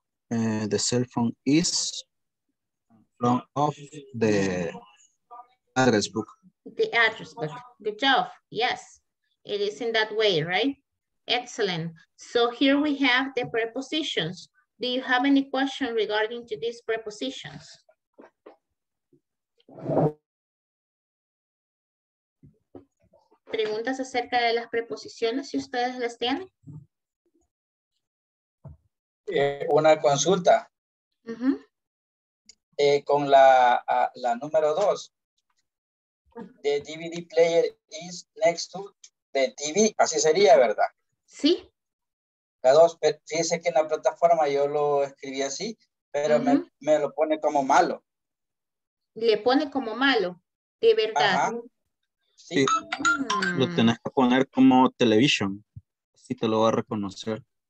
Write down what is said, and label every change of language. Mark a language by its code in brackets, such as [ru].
[en] The cell phone is from off the address book. The address book. Good job. Yes. It is in that way, right? Excellent. So here we have the prepositions. Do you have any question regarding to these prepositions? [es] ¿Preguntas acerca de las preposiciones si ustedes las tienen? Una consulta. Uh-huh. Con la número dos. [en] The DVD player is next to the TV. [es] Así sería, ¿verdad? Sí. La dos, fíjese que en la plataforma yo lo escribí así, pero uh-huh. me lo pone como malo. Le pone como malo, de verdad. Ajá. Sí. Sí. Lo tenés que poner como television, así te lo va a reconocer.